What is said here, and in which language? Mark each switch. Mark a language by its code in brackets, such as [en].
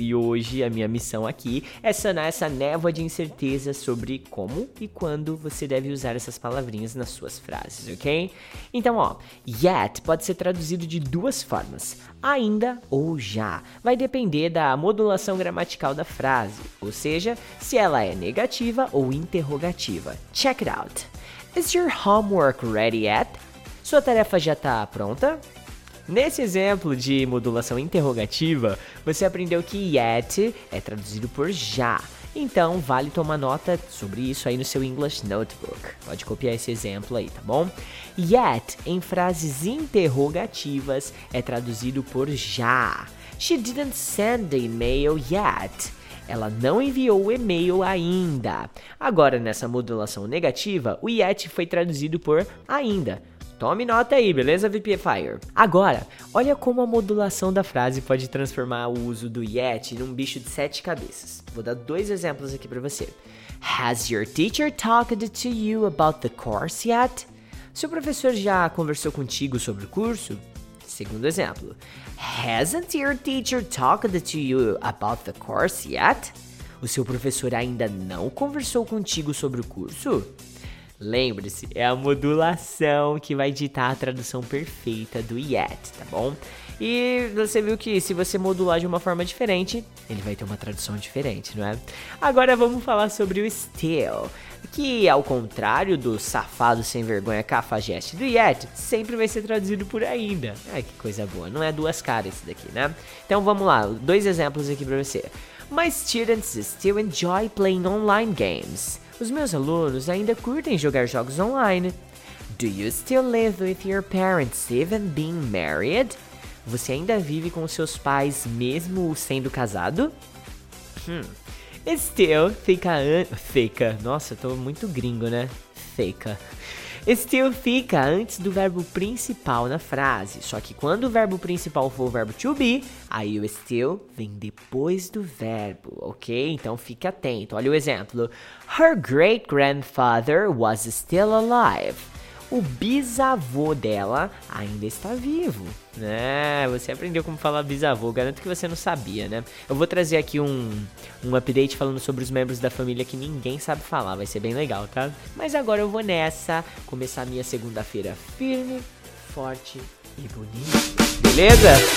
[pt] E hoje a minha missão aqui é sanar essa névoa de incerteza sobre como e quando você deve usar essas palavrinhas nas suas frases, ok? Então, ó, yet pode ser traduzido de duas formas: ainda ou já. Vai depender da modulação gramatical da frase, ou seja, se ela é negativa ou interrogativa. [en] Check it out. Is your homework ready yet? [pt] Sua tarefa já está pronta? Nesse exemplo de modulação interrogativa, você aprendeu que yet é traduzido por já. Então, vale tomar nota sobre isso aí no seu English Notebook. Pode copiar esse exemplo aí, tá bom? Yet, em frases interrogativas, é traduzido por já. [en] She didn't send the email yet. [pt] Ela não enviou o e-mail ainda. Agora, nessa modulação negativa, o yet foi traduzido por ainda. Tome nota aí, beleza, VPFire? Agora, olha como a modulação da frase pode transformar o uso do yet num bicho de sete cabeças. Vou dar dois exemplos aqui pra você. [en] Has your teacher talked to you about the course yet? [pt] Seu professor já conversou contigo sobre o curso? Segundo exemplo. [en] Hasn't your teacher talked to you about the course yet? [pt] O seu professor ainda não conversou contigo sobre o curso? Lembre-se, é a modulação que vai ditar a tradução perfeita do yet, tá bom? E você viu que se você modular de uma forma diferente, ele vai ter uma tradução diferente, não é? Agora vamos falar sobre o still, que ao contrário do safado sem vergonha cafajeste do yet, sempre vai ser traduzido por ainda. Ai, que coisa boa, não é duas caras isso daqui, né? Então vamos lá, dois exemplos aqui pra você. [en] My students still enjoy playing online games. [pt] Os meus alunos ainda curtem jogar jogos online. [en] Do you still live with your parents even being married? [pt] Você ainda vive com seus pais mesmo sendo casado? Still fica... Fica. Nossa, tô muito gringo, né? Fica. Still fica antes do verbo principal na frase. Só que quando o verbo principal for o verbo to be, aí o still vem depois do verbo, ok? Então fique atento. Olha o exemplo. [en] Her great-grandfather was still alive. [pt] O bisavô dela ainda está vivo. É, você aprendeu como falar bisavô. Garanto que você não sabia, né? Eu vou trazer aqui um update falando sobre os membros da família que ninguém sabe falar. Vai ser bem legal, tá? Mas agora eu vou nessa. Começar a minha segunda-feira firme, forte e bonito. Beleza?